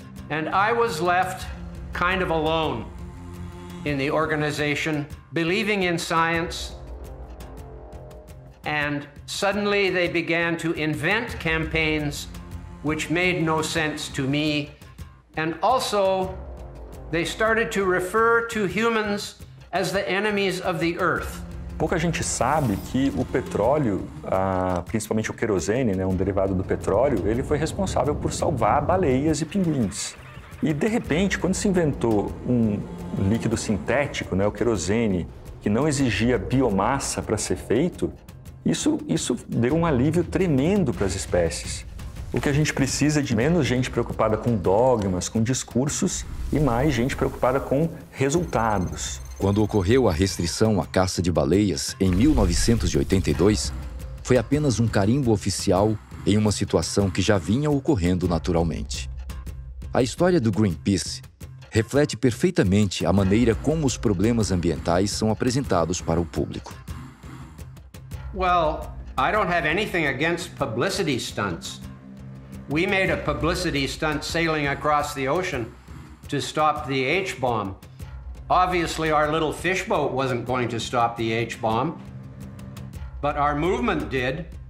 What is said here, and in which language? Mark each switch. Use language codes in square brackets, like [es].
[en] And I was left kind of alone in the organization, believing in science. And suddenly they began to invent campaigns which made no sense to me. And also, they started to refer to humans as the enemies of the earth. [pt] Pouca gente sabe que o petróleo, principalmente o querosene, né, um derivado do petróleo, ele foi responsável por salvar baleias e pinguins. E, de repente, quando se inventou um líquido sintético, né, o querosene, que não exigia biomassa para ser feito, isso deu um alívio tremendo para as espécies. O que a gente precisa é de menos gente preocupada com dogmas, com discursos, e mais gente preocupada com resultados. Quando ocorreu a restrição à caça de baleias, em 1982, foi apenas um carimbo oficial em uma situação que já vinha ocorrendo naturalmente. A história do Greenpeace reflete perfeitamente a maneira como os problemas ambientais são apresentados para o público. Well, I don't have anything against publicity stunts. We made a publicity stunt sailing across the ocean to stop the H-bomb. Obviously, our little fish boat wasn't going to stop the H-bomb, but our movement did.